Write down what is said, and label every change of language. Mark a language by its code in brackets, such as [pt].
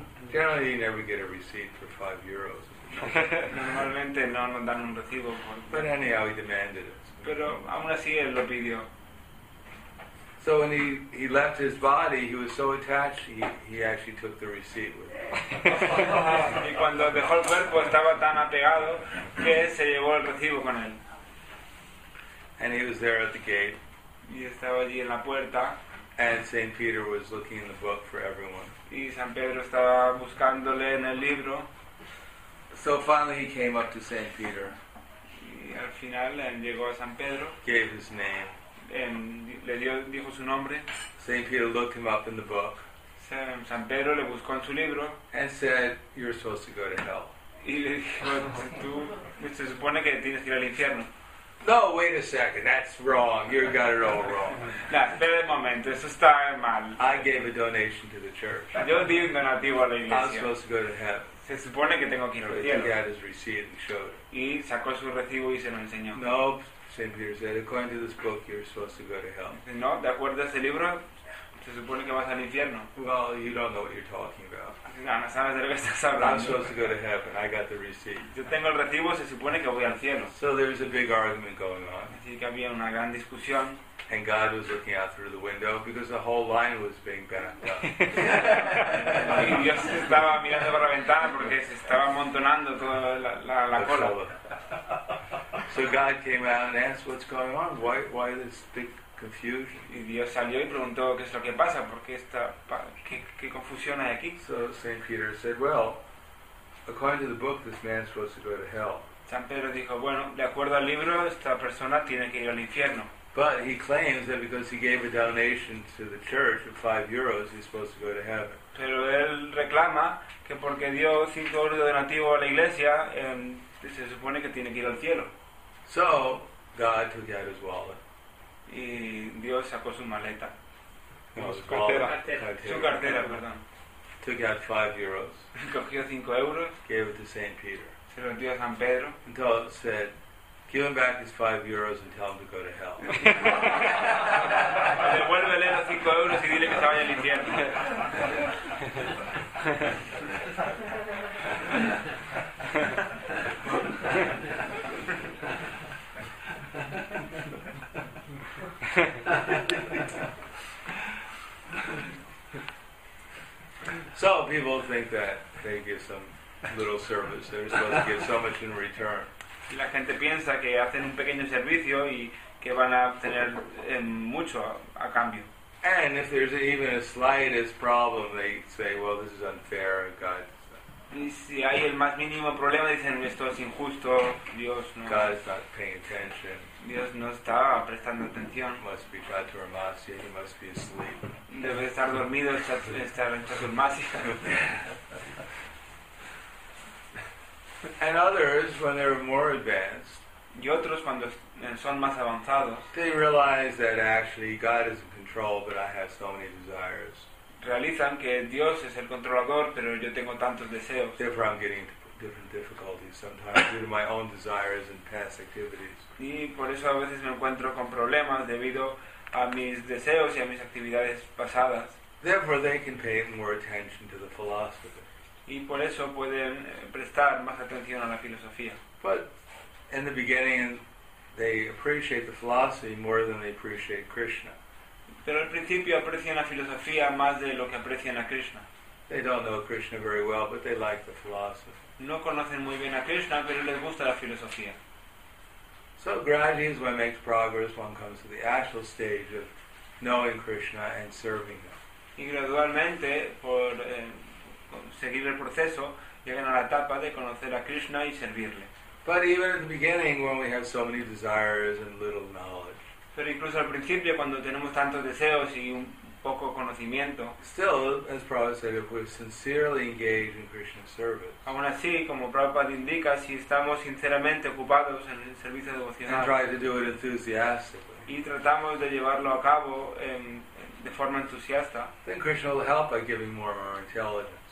[en] Generally, you never get a receipt for 5 euros. [es] Normalmente no nos dan un recibo. [en] But anyhow, he demanded it. [es] Pero aún así él lo pidió. [en] So when he left his body, he was so attached, he actually took the receipt with him. [es] Y cuando dejó el cuerpo estaba tan apegado que se llevó el recibo con él. [en] And he was there at the gate. [es] Y estaba allí en la puerta. [en] And Saint Peter was looking in the book for everyone. [es] Y San Pedro estaba buscándole en el libro. [en] So finally he came up to Saint Peter. [es] Al final llegó a San Pedro. [en] Gave his name. [es] Dijo su nombre. [en] Saint Peter looked him up in the book. [es] San Pedro le buscó en su libro. [en] And said, "You're supposed to go to hell." [es] Y le dijo, "Tú se supone que tienes que ir al infierno." [en] No, wait a second, that's wrong. You got it all wrong. [es] No, espera un momento, eso está mal. [en] I gave a donation to the church. [es] Yo di un donativo a la iglesia. [en] I'm supposed to go to heaven. [es] Se supone que tengo que ir al cielo. [en] He had his receipt and showed it. [es] Y sacó su recibo y se lo enseñó. [en] No, St. Peter said, according to this book, you're supposed to go to hell. [es] No, de acuerdo a ese libro, se supone que vas al infierno. [en] Well, you don't know what you're talking about. [es] No, no sabes de lo que estás hablando. [en] I'm supposed to go to heaven. I got the receipt. [es] Yo tengo el recibo, se supone que voy al cielo. [en] So there's a big argument going on. [es] Así que había una gran discusión. [en] And God was looking out through the window because the whole line was being bent up. [es] Y Dios estaba mirando por la ventana porque se estaba amontonando toda la cola. [en] So God came out and asked, "What's going on? Why this big confusion?" [es] Y Dios salió y preguntó qué es lo que pasa, porque esta qué confusión hay aquí. [en] So Saint Peter said, "Well, according to the book, this man's supposed to go to hell." [es] San Pedro dijo, bueno, de acuerdo al libro, esta persona tiene que ir al infierno. [en] But he claims that because he gave a donation to the church of 5 euros, he's supposed to go to heaven. [es] Pero él reclama que porque dio 5 euros de donativo a la iglesia, se supone que tiene que ir al cielo. [en] So God took out his wallet. [es] Y Dios sacó su maleta. Su cartera. [en] Took out 5 euros. [es] Cogió 5 euros. [en] Gave it to Saint Peter. [es] Se lo dio a San Pedro. [en] And told, said, "Give him back his 5 euros and tell him to go to hell." [es] Devuélvele los 5 euros y dile que se vaya al infierno. [en] So people think that they give some little service. They're supposed to give so much in return. [es] La gente piensa que hacen un pequeño servicio y que van a obtener mucho a cambio. [en] And if there's even a slightest problem, they say, "Well, this is unfair, God." [es] Y si hay el más mínimo problema, dicen, "Esto es injusto, Dios no." [en] God is not paying attention. [es] Dios no está prestando atención. [en] Must be Chaturmasya, he must be asleep. [es] Debe estar dormido, estar en Chaturmasya. [en] And others, when they're more advanced, [es] y otros cuando son más avanzados, [en] they realize that actually God is in control, but I have so many desires. [es] Realizan que Dios es el controlador, pero yo tengo tantos deseos. [en] Therefore, I'm getting different difficulties sometimes due to my own desires and past activities. [es] Y por eso a veces me encuentro con problemas debido a mis deseos y a mis actividades pasadas. [en] Therefore, they can pay more attention to the philosophy. [es] Y por eso pueden prestar más atención a la filosofía. [en] But in the beginning, they appreciate the philosophy more than they appreciate Krishna. [es] Pero al principio aprecian la filosofía más de lo que aprecian a Krishna. [en] They don't know Krishna very well, but they like the philosophy. [es] No conocen muy bien a Krishna, pero les gusta la filosofía. [en] So gradually, as one makes progress, one comes to the actual stage of knowing Krishna and serving him. [es] Y gradualmente, por seguir el proceso, llegan a la etapa de conocer a Krishna y servirle. [en] But even at the beginning, when we have so many desires and little knowledge, [es] pero incluso al principio, cuando tenemos tantos deseos y un poco conocimiento, [en] still, as Prabhupada said, if we're sincerely engaged in Krishna's service, [es] aún así, como Prabhupada indica, si estamos sinceramente ocupados en el servicio devocional, [en] and try to do it enthusiastically, [es] y tratamos de llevarlo a cabo de forma entusiasta, [en] then Krishna will help by giving more and more intelligence.